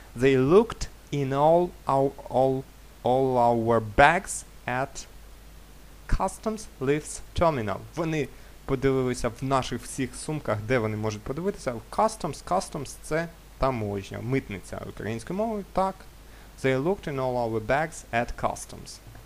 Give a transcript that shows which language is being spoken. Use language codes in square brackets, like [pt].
[en] They looked in all our bags at customs lifts terminal. [uk] Вони подивилися в наших всіх сумках, де вони можуть подивитися. Customs, customs – це таможня, митниця українською мовою, так. [en] They looked in all our bags at customs.